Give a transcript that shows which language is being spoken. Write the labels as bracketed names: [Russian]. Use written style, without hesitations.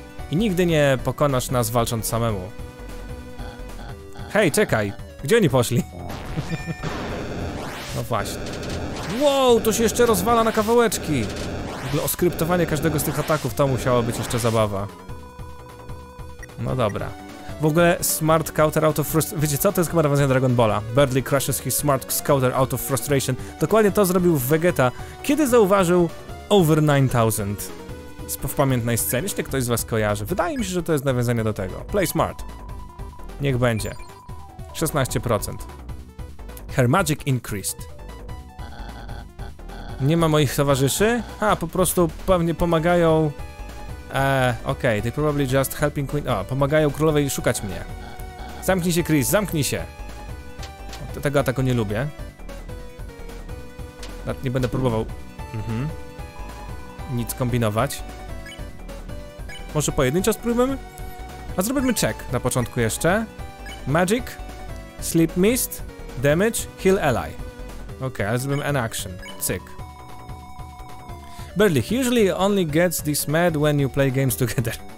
[Polish] I nigdy nie pokonasz nas walcząc samemu. Hej, czekaj, gdzie oni poszli? No właśnie. Wow, to się jeszcze rozwala na kawałeczki. W ogóle oskryptowanie każdego z tych ataków to musiała być jeszcze zabawa. No dobra. W ogóle [English] smart counter out of frustration. [Polish] Wiecie co? To jest chyba nawiązanie Dragon Balla. [English] Birdly crushes his smart counter out of frustration. [Polish] Dokładnie to zrobił Vegeta, kiedy zauważył over 9000 w pamiętnej scenie, jeśli ktoś z was kojarzy. Wydaje mi się, że to jest nawiązanie do tego. [English] Play smart. [Polish] Niech będzie. 16%. [English] Her magic increased. [Polish] Nie ma moich towarzyszy? A, po prostu pewnie pomagają... [English] okej, okay, they probably just helping queen... [Polish] O, pomagają królowej szukać mnie. Zamknij się, Chris, zamknij się! Tego ataku nie lubię. Nie będę próbował... Nic kombinować. Może pojedynczo spróbujemy? A zrobimy check na początku jeszcze. [English] Magic, sleep mist, damage, heal ally. Okej, okay, [Polish] zrobimy [English] an action. Cyk. Berlich, usually only gets this mad when you play games together.